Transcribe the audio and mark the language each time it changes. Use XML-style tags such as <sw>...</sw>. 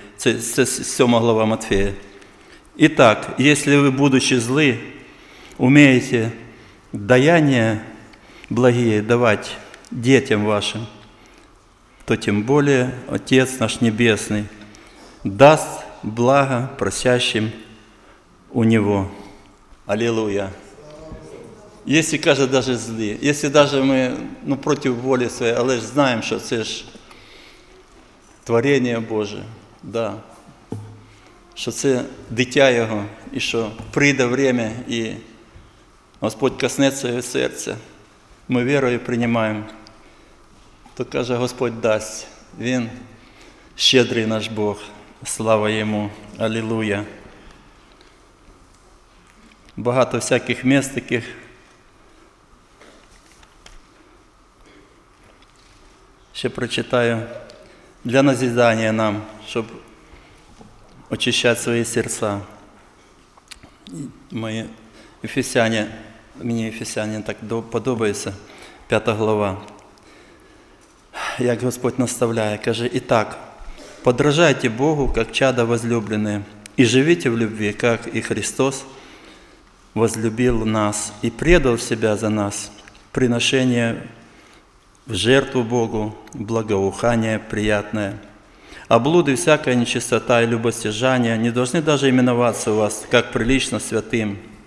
<uk>Це 7 глава Матфея. І так, якщо ви, будучи зли, умієте даяння благіє давати дітям вашим, то тим</uk> <ru>более Отец наш Небесный даст благо просящим у Него. Аллилуйя. Если, каже, даже зли, если даже мы против воли своей, але ж знаем, что это ж творение Божие, да, что это дитя Его, и что прийде время, и Господь коснется Его сердца, мы верою принимаем,</ru> <uk>то, каже, Господь дасть. Він щедрий наш Бог. Слава Йому. Алілуя. Багато всяких міст таких. Ще прочитаю. Для назидання нам, щоб очищати свої серця. Мої Ефесяни, мені Ефесяни так подобається. 5 глава. Як Господь наставляє, каже, і так, подражайте Богу, як чада возлюблене,</uk> <ru>И живите в любви, как и Христос возлюбил нас и предал Себя за нас, приношение в жертву Богу, благоухание приятное. А блуды, всякая нечистота и любостяжание не должны даже именоваться у вас, как прилично святым.</ru>